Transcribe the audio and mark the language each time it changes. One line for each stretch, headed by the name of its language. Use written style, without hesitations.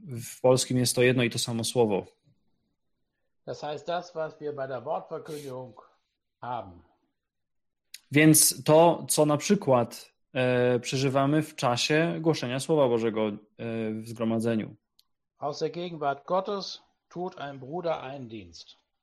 Polish: W polskim jest to jedno i to samo słowo.
German: Das heißt das, was wir bei der Wortverkündigung haben.
Polish: Więc to, co na przykład przeżywamy w czasie głoszenia Słowa Bożego w zgromadzeniu.
German: Aus der Gegenwart Gottes tut ein Bruder einen Dienst.